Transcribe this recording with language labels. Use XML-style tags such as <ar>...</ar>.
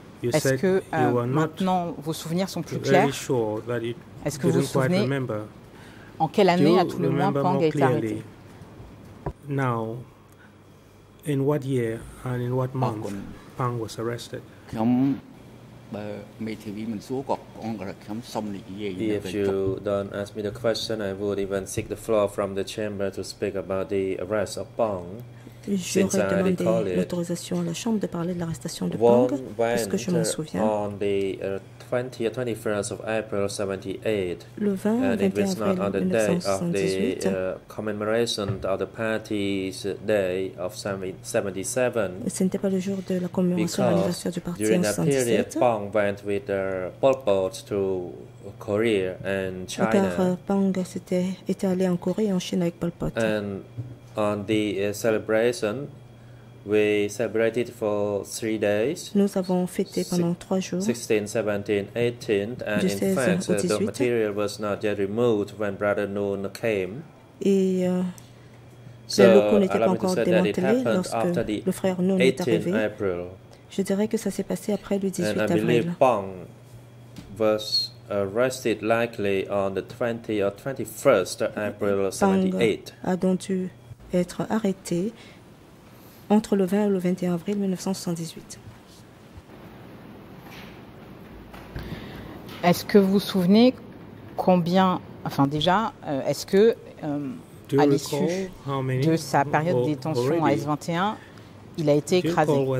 <fr>Est-ce que maintenant vos souvenirs sont plus clairs? Est-ce que vous vous souvenez en quelle année à tout le moins Pang a été arrêté?</fr> <en>Now, in what year and in what month Pang was arrested? If you don't ask me the question, I would even seek the floor from the chamber to speak about the arrest of Pang.</en> <fr>J'aurais demandé l'autorisation à la chambre de parler de l'arrestation de Pang, parce que je m'en souviens.</fr> <en>On the 21st of April 78,</en> <fr>le 20</fr> <en>and it was not on the day 1978. Of the commemoration of the party's day of 77.</en> <fr>Ce n'était pas le jour de la commémoration de l'anniversaire du parti en 77.</fr> <en>Because during that period, Pang went with their Pol Pot to Korea and China.</en> <fr>Car Pang était allé en Corée et en Chine avec Pol Pot.</fr> <en>And on the celebration We celebrated for 3 days.</en> <fr>Nous avons fêté pendant 3 jours.</fr> <en>16, 17, 18, and in fact, the material was not yet removed when Brother Noon came.</en> <fr>Et les locaux n'étaient pas encore démantelés lorsque le frère Noon est arrivé.</fr> <en>April.</en> <fr>Je dirais que ça s'est passé après le 18 avril.</fr> <en>And I believe Pong was arrested likely on the 20 or 21st April 78.</en> <fr>A donc dû être arrêté entre le 20 et le 21 avril 1978. Est-ce que vous vous souvenez combien, enfin déjà, est-ce que à l'issue de sa période de détention à S21, il a été écrasé?</fr>